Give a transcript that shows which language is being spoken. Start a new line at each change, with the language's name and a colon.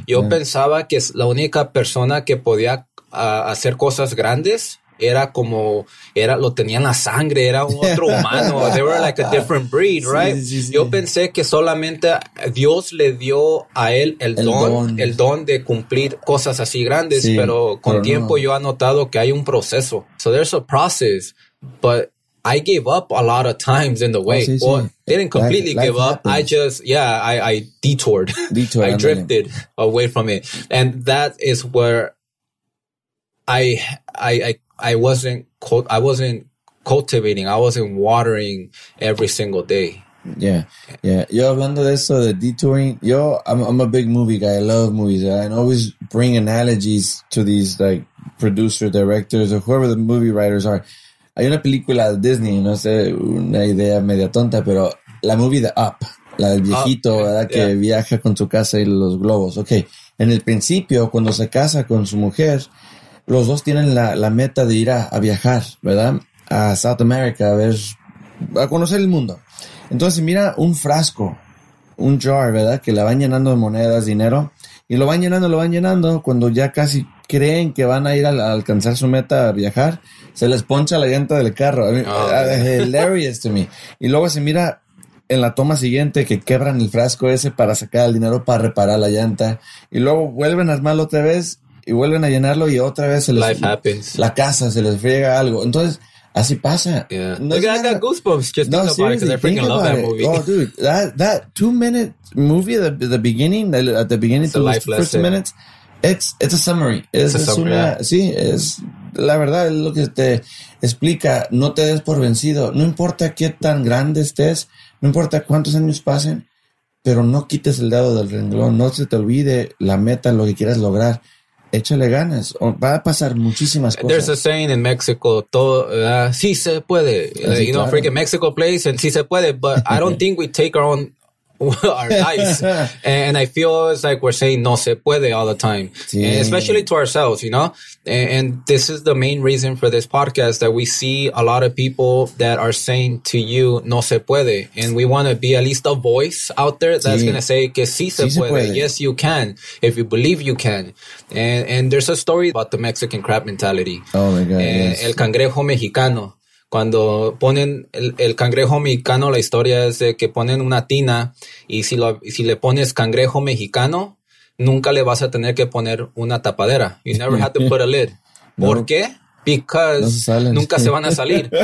Spanish: Yo pensaba que la única persona que podía hacer cosas grandes era lo tenía en la sangre, era otro humano.
English: They were like a different breed, right?
Spanish: Sí, sí, sí. Yo pensé que solamente Dios le dio a él el don de cumplir cosas así grandes, sí, pero con tiempo yo he notado que hay un proceso.
English: So there's a process, but I gave up a lot of times in the way. Didn't completely life give up. Happens. I detoured. I drifted away from it. And that is where I wasn't cultivating. I wasn't watering every single day. Yeah. Yeah.
Spanish: Yo hablando de eso, de detouring,
English: I'm a big movie guy. I love movies. I always bring analogies to these like producer, directors, or whoever the movie writers are.
Spanish: Hay una película de Disney, no sé, una idea media tonta, pero la movie de Up, la del viejito, Up, ¿verdad? Que viaja con su casa y los globos. Ok, en el principio, cuando se casa con su mujer, los dos tienen la meta de ir a viajar, ¿verdad? A South America, a conocer el mundo. Entonces, mira un frasco, un jar, ¿verdad? Que la van llenando de monedas, dinero, y lo van llenando, cuando ya casi creen que van a ir a alcanzar su meta a viajar, se les poncha la llanta del carro.
English: Hilarious to me.
Spanish: Y luego se mira en la toma siguiente que quebran el frasco ese para sacar el dinero para reparar la llanta. Y luego vuelven a armarlo otra vez y vuelven a llenarlo y otra vez se les...
English: Life happens.
Spanish: La casa, se les friega algo. Entonces, así pasa.
English: Yeah. No, look, I got goosebumps just thinking about it because I freaking love that movie. Oh, dude, that 2-minute movie at the beginning, it's a life lesson. It's a summary. It's a summary.
Spanish: Sí, es... la verdad es lo que te explica, no te des por vencido, no importa qué tan grande estés, no importa cuántos años pasen, pero no quites el dedo del renglón, no se te olvide la meta, lo que quieras lograr, échale ganas, va a pasar muchísimas cosas.
English: There's a saying in Mexico,
Spanish: todo, sí se puede, así,
English: you know, claro. Freaking Mexico place, and sí se puede, but I don't think we take our own our lives. And I feel it's like we're saying
Spanish: no se puede
English: all the time, sí. Especially to ourselves, you know, and this is the main reason for this podcast, that we see a lot of people that are saying to you no se puede, and we want to be at least a voice out there that's sí. going to say
Spanish: que sí, se, sí puede. Se puede,
English: yes you can, if you believe you can. And there's a story about the Mexican crab mentality. Oh my God, yes.
Spanish: El cangrejo mexicano. Cuando ponen el cangrejo mexicano, la historia es de que ponen una tina y si le pones cangrejo mexicano, nunca le vas a tener que poner una tapadera.
English: You never have to put a lid.
Spanish: ¿Por no, qué?
English: Because
Spanish: no se nunca se van a salir.